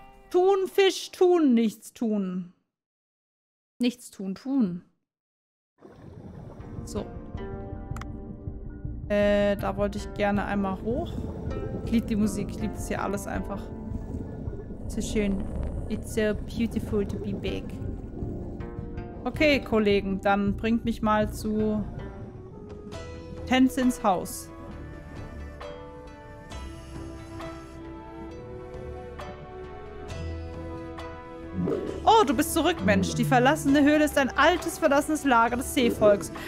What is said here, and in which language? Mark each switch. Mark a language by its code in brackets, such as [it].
[de] Thunfisch tun, nichts tun. Nichts tun, tun. So. Da wollte ich gerne einmal hoch. Ich liebe die Musik, ich liebe das hier alles einfach. So schön. [en] It's so beautiful to be back. [de] Okay, Kollegen, dann bringt mich mal zu Tenzins Haus. Oh, du bist zurück, Mensch. Die verlassene Höhle ist ein altes, verlassenes Lager des Seevolks.